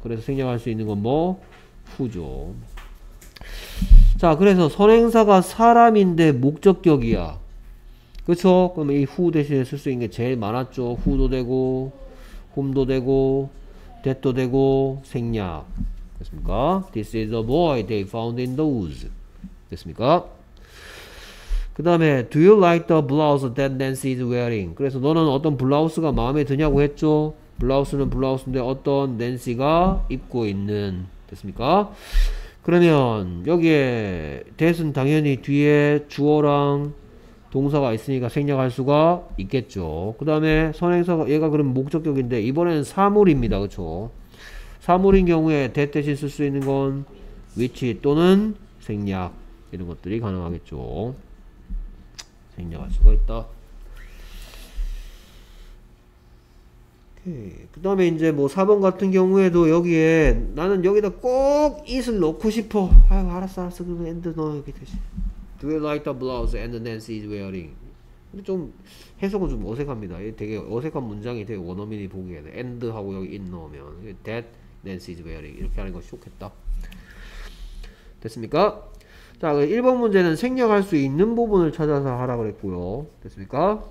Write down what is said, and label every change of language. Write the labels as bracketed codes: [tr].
[ko] 그래서 생략할 수 있는 건 뭐? 후죠. 자 그래서 선행사가 사람인데 목적격이야. 그쵸? 그럼 이 후 대신에 쓸 수 있는 게 제일 많았죠. 후도 되고 홈도 되고 that도 되고 생략 됐습니까? [en] This is the boy they found in the woods [ko] 됐습니까? 그 다음에 [en] Do you like the blouse that Nancy is wearing? [ko] 그래서 너는 어떤 블라우스가 마음에 드냐고 했죠? 블라우스는 블라우스인데 어떤 낸시가 입고 있는 됐습니까? 그러면 여기에 that은 당연히 뒤에 주어랑 동사가 있으니까 생략할 수가 있겠죠. 그 다음에 선행사가 얘가 그럼 목적격인데 이번에는 사물입니다. 그쵸? 사물인 경우에 that 대신 쓸 수 있는 건 which 또는 생략 이런 것들이 가능하겠죠. 생략할 수가 있다. 그 다음에 이제 뭐 4번 같은 경우에도 여기에 나는 여기다 꼭 it을 넣고 싶어. 아유 알았어 알았어 그럼 and 넣어 여기 대신. [en] Do you like the blouse and Nancy is wearing? [ko] 근데 좀 해석은 좀 어색합니다. 되게 어색한 문장이 되게 원어민이 보기에는 and 하고 여기 in 넣으면 [en] that Nancy is wearing [ko] 이렇게 하는 것이 좋겠다. 됐습니까? 자, 1번 문제는 생략할 수 있는 부분을 찾아서 하라고 그랬고요. 됐습니까?